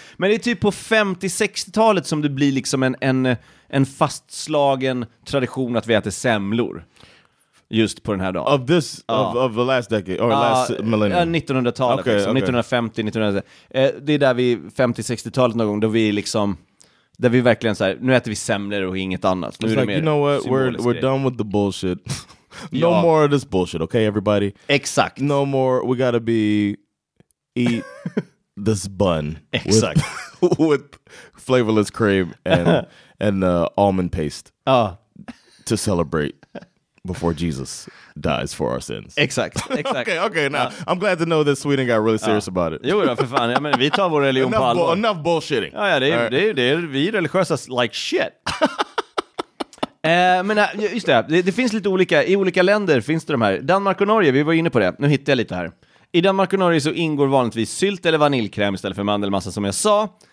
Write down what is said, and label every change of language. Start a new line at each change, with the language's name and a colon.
Swedish: Men det är typ på 50-60-talet som det blir liksom en fastslagen tradition att vi äter semlor. Just på den här dagen.
English: Of this, of the last decade, or last millennium.
Swedish: 1900-talet, okay, liksom. Okay. 1950, 1960. Det är där vi, 50-60-talet någon gång, då vi liksom, där vi verkligen så här, nu äter vi semlor och inget annat. Nu
English: it's like, you know what, we're done with the bullshit. No more of this bullshit, okay everybody?
Swedish: Exakt.
English: No more, we gotta be... Eat this bun.
Swedish: Exakt.
English: With flavorless cream and almond paste. To celebrate before Jesus dies for our sins.
Swedish: Exakt.
English: okay, now. I'm glad to know that Sweden got really serious about it.
Swedish: Jo, för fan. Jag menar, vi tar vår religion på allvar.
English: Enough bullshitting.
Swedish: Ja, vi är religiösa
English: like shit.
Swedish: men just det, det finns lite olika. I olika länder finns det de här. Danmark och Norge, vi var inne på det. Nu hittade jag lite här. I Danmark och Norge så ingår vanligtvis sylt eller vaniljkräm istället för mandelmassa som jag sa.